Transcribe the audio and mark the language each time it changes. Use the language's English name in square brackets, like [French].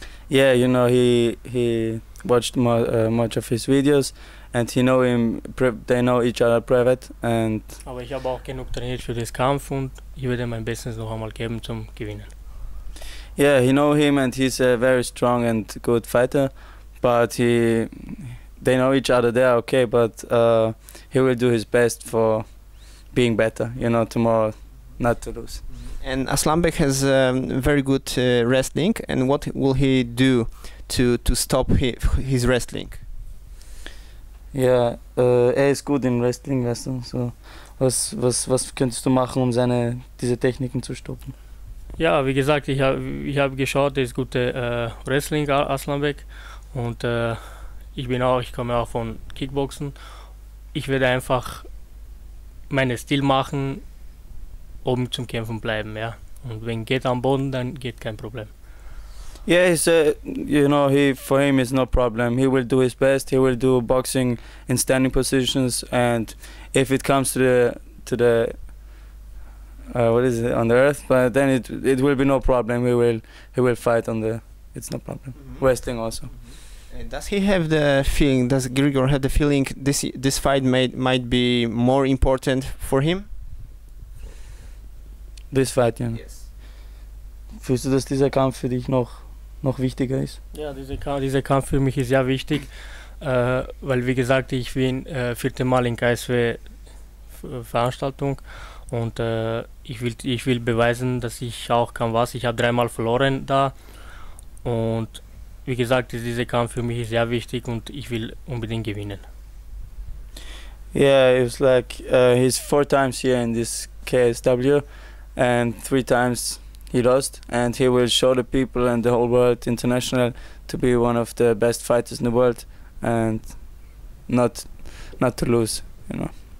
[English] Yeah, you know, he watched much of his videos and he know him, they know each other private. And [German] aber ich habe auch genug trainiert für den Kampf und ich werde mein Bestes noch einmal geben zum Gewinnen. [English] Yeah, he know him and he's a very strong and good fighter, but they know each other there, okay, but he will do his best for being better, you know, tomorrow, not to lose. And Aslanbek has very good wrestling, and what will he do to stop his wrestling? [German] Yeah, er ist gut in wrestling, weißt du, so was könntest du machen, um diese Techniken zu stoppen? Ja, wie gesagt, ich hab geschaut, er ist guter Wrestling, Aslanbek, und ich komme auch von Kickboxen. Ich werde einfach meinen Stil machen, um zum Kämpfen bleiben, ja. Und wenn geht am Boden, dann geht kein Problem. [English] Yeah, he's you know, for him is no problem. He will do his best. He will do boxing in standing positions, and if it comes to the what is it on the earth? But then it will be no problem. He will fight on the. It's no problem. Mm-hmm. Wrestling also. Mm-hmm. Does he have the feeling? Does Grigor have the feeling this fight might be more important for him? This fight, yeah. Yes. [German] Fühlst du, dass dieser Kampf für dich noch wichtiger ist? Ja, dieser Kampf für mich ist sehr wichtig, weil wie gesagt, ich bin vierte Mal in KSW Veranstaltung. Und ich will beweisen, dass ich auch kann was. Ich habe dreimal verloren da. Und wie gesagt, dieser Kampf für mich ist sehr wichtig und ich will unbedingt gewinnen. [English] Yeah, it was like he's four times here in this KSW and three times he lost. And he will show the people and the whole world international to be one of the best fighters in the world and not to lose, you know.